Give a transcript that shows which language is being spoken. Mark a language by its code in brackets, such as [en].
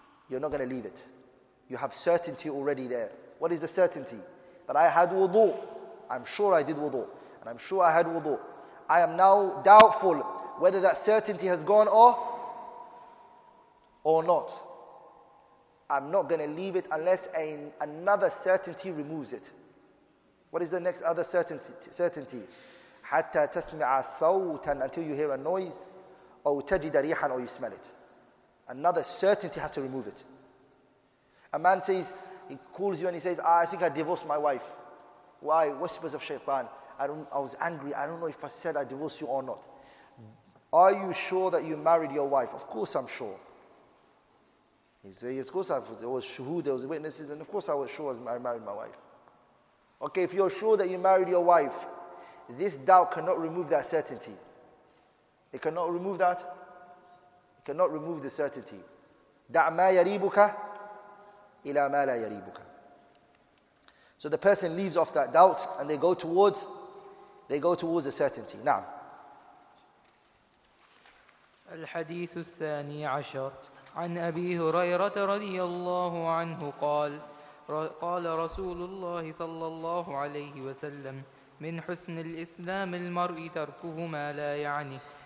[en] You're not going to leave it. You have certainty already there. What is the certainty? That I had wudu. I'm sure I did wudu. And I'm sure I had wudu. I am now doubtful whether that certainty has gone or not. I'm not going to leave it unless another certainty removes it. What is the next other certainty? [ar] حتى تسمع صوتا, [en] until you hear a noise, [ar] أو تجد ريحا, [en] or you smell it. Another certainty has to remove it. A man says, he calls you and he says, I think I divorced my wife. Why? Whispers of shaitan. I was angry. I don't know if I said I divorced you or not. Are you sure that you married your wife? Of course I'm sure. He says, yes, of course there was shuhud, there was witnesses, and of course I was sure I married my wife. Okay, if you're sure that you married your wife, this doubt cannot remove that certainty. It cannot remove that. It cannot remove the certainty. [ar] دَعْ مَا يَرِيبُكَ إِلَى مَا لَا يَرِيبُكَ. [en] So the person leaves off that doubt and they go towards the certainty. [ar] نعم. الحديث الثاني عشر عن أبي هريرة رضي الله عنه قال قال رسول الله صلى الله عليه وسلم من حسن الإسلام المرء تركه ما لا يعني.